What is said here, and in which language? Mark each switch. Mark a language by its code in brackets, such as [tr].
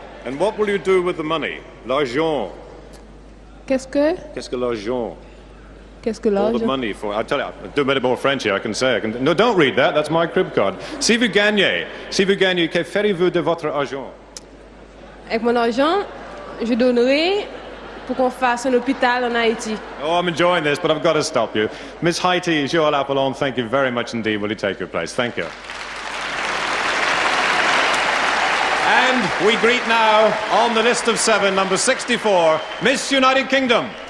[en] And what will you do with the money? [fr] L'argent. Qu'est-ce que l'argent? Qu'est-ce que l'argent? [en] All the money for, I'll tell you, I'll do a bit more French here, I can say. No, don't read that, that's my crib card. [fr] Si vous gagnez, que ferez-vous de votre argent? Avec mon argent, je donnerai pour qu'on fasse un hôpital en Haïti. [en] Oh, I'm enjoying this, but I've got to stop you. Miss Haiti, Joël Apollon, thank you very much indeed. Will you take your place? Thank you. And we greet now, on the list of seven, number 64, Miss United Kingdom.